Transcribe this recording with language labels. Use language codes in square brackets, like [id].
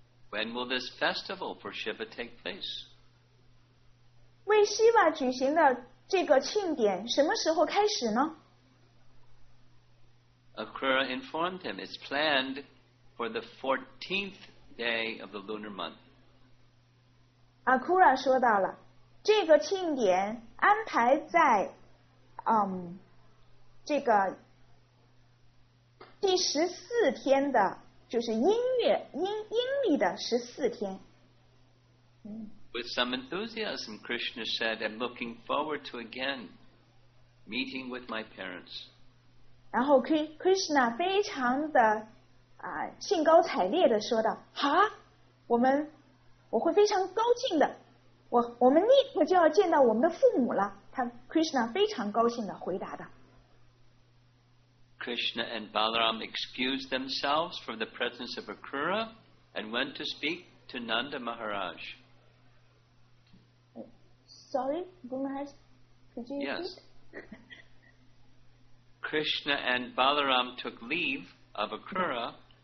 [en] When will this festival for Shiva take place? [zh] 为 Shiva 举行的这个庆典什么时候开始呢? [en] Akura informed him it's planned for the 14th day of the lunar month. [zh] Akura 说到了这个庆典安排在这个第十四天的就是阴月阴历的十四天。 [en] With some enthusiasm, Krishna said, "I'm looking forward to again meeting with my parents." [zh] 然后 Krishna 非常的兴高采烈的说道：“哈，我会非常高兴的，我们立刻就要见到我们的父母了。” 他 Krishna 非常高兴的回答的。 [en] Krishna and Balaram excused themselves from the presence of Akura and went to speak to Nanda Maharaj. Sorry, Guru Maharaj, could you repeat? Yes. Krishna and Balaram took leave of Akura